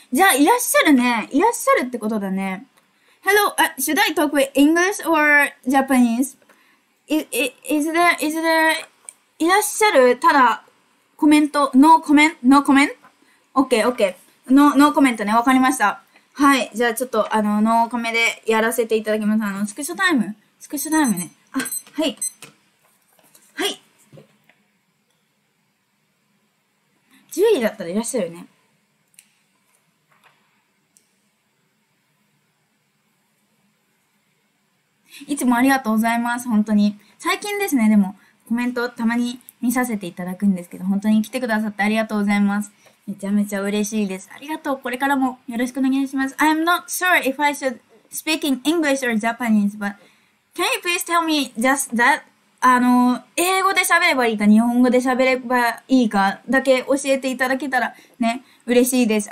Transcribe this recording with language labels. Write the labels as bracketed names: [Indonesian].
[Japanese] じゃあ、いらっしゃるね。いらっしゃるってことだね。 [English] Hello, should I talk with English or Japanese? [Japanese] いらっしゃる？ただ、コメント、ノーコメント、ノーコメント？OK, ノーコメントね。わかりました。はい。じゃあ、ちょっと、ノーコメでやらせていただきます。スクショタイム。スクショタイムね。あ、はい。 10位だったらいらっしゃるね。いつもありがとうございます。本当に。最近ですね、でも、コメントたまに見させていただくんですけど、本当に来てくださってありがとうございます。めちゃめちゃ嬉しいです。ありがとう。これからもよろしくお願いします。 [English] I'm not sure if I should speak in English or Japanese, but can you please tell me just that? [Japanese] 英語で喋ればいいか、日本語で喋ればいいかだけ教えていただけたらね、嬉しいです。